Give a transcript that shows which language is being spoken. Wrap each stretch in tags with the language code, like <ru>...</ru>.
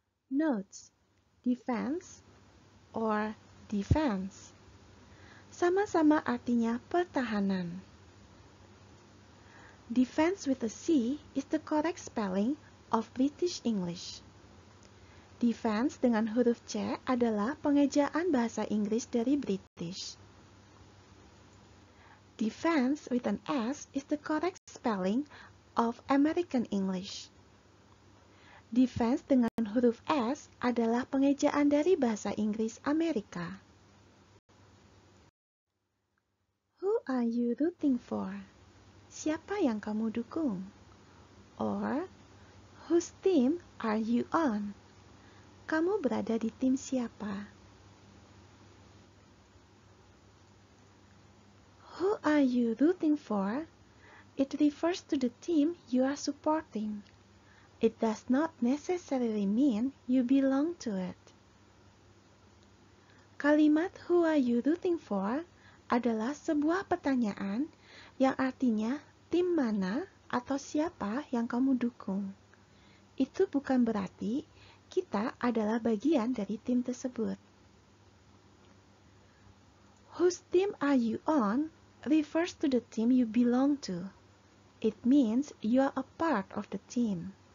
<en>Notes: defense or defense.</en> <id>Sama-sama artinya pertahanan.</id> <en>Defense with a C is the correct spelling of British English.</en> <id>Defense dengan huruf C adalah pengejaan bahasa Inggris dari British.</id> <en>Defense with an S is the correct spelling of American English.</en> <id>Defense dengan huruf S adalah pengejaan dari bahasa Inggris Amerika.</id> <en>Who are you rooting for?</en> <id>Siapa yang kamu dukung?</id> <en>Or, whose team are you on?</en> <id>Kamu berada di tim siapa?</id> <en>Who are you rooting for? It refers to the team you are supporting. It does not necessarily mean you belong to it.</en> <id>Kalimat</id> <en>who are you rooting for</en> <id>adalah sebuah pertanyaan yang artinya tim mana atau siapa yang kamu dukung. Itu bukan berarti kita adalah bagian dari tim tersebut.</id> <en>Whose team are you on refers to the team you belong to. It means you are a part of the team.</en>